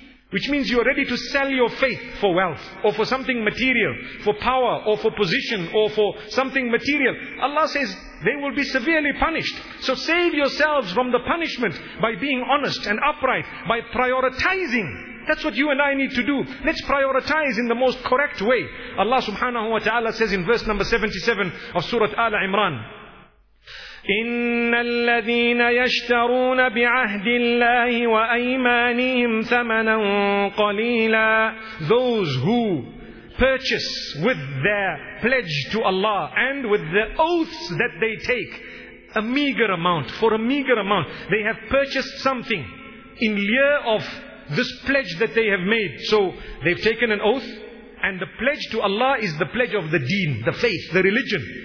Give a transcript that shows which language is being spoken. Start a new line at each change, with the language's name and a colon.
English: Which means you are ready to sell your faith for wealth or for something material, for power or for position or for something material. Allah says they will be severely punished. So save yourselves from the punishment by being honest and upright, by prioritizing. That's what you and I need to do. Let's prioritize in the most correct way. Allah subhanahu wa ta'ala says in verse number 77 of Surah Al Imran,
Arabic: إن الذين يشترون بعهد الله وأيمانهم ثمنا قليلا.
English: Those who purchase with their pledge to Allah and with the oaths that they take a meager amount, for a meager amount, they have purchased something in lieu of this pledge that they have made. So they've taken an oath, and the pledge to Allah is the pledge of the deen, the faith, the religion.